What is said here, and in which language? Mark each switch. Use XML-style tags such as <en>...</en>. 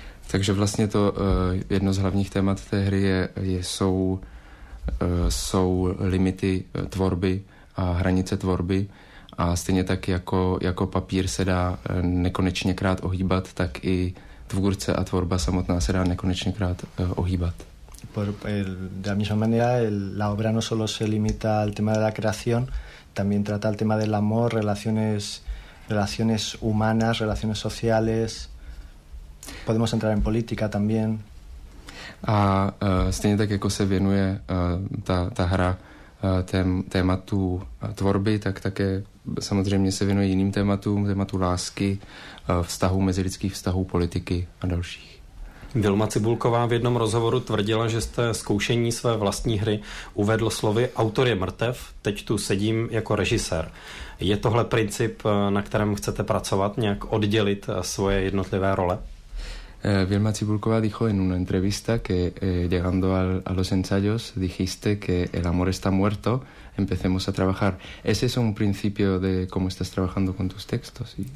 <cs>Takže vlastně to jedno z hlavních témat té hry jsou limity tvorby a hranice tvorby a stejně tak jako papír se dá nekonečně krát ohýbat, tak i tvůrce a tvorba samotná se dá nekonečně krát ohýbat.</cs> <es>De la misma manera, la obra no solo se limita al tema de la creación, también trata el tema del amor, relaciones humanas, relaciones sociales. Podemos entrar en política también.</es> <cs>A stejně tak, jako se věnuje ta hra tématu tvorby, tak také samozřejmě se věnuje jiným tématům, tématu lásky, vztahů, mezilidských vztahů, politiky a dalších. Vilma Cibulková v jednom rozhovoru tvrdila, že jste zkoušení své vlastní hry uvedl slovy autor je mrtev, teď tu sedím jako režisér. Je tohle princip, na kterém chcete pracovat, nějak oddělit svoje jednotlivé role?</cs> <es>Vilma Cibulková dijo en una entrevista que llegando a los ensayos dijiste que el amor está muerto, empecemos a trabajar. ¿Es eso un principio de cómo estás trabajando con tus textos?</es>